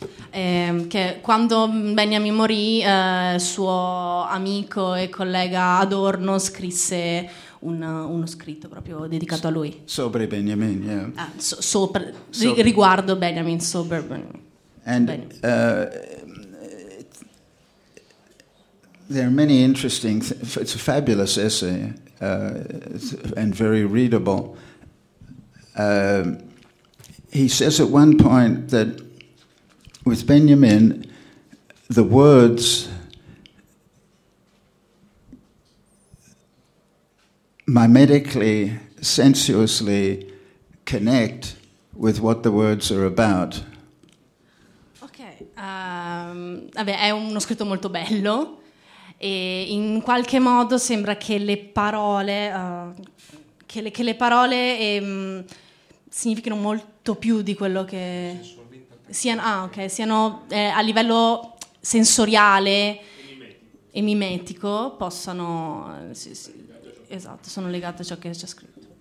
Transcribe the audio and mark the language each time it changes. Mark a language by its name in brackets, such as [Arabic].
[Italian] Che quando Benjamin morì, suo amico e collega Adorno scrisse uno scritto proprio dedicato a lui. [English] Sobre Benjamin, yeah. [Italian] Riguardo Benjamin, sobre Benjamin. [English] And there are many interesting, it's a fabulous essay, and very readable. He says at one point that with Benjamin, the words mimetically, sensuously connect with what the words are about. [Italian] Ok, è uno scritto molto bello. E in qualche modo sembra che le parole significhino molto più di quello che siano a livello sensoriale e mimetico possano sì, esatto, sono legate a ciò che c'è scritto.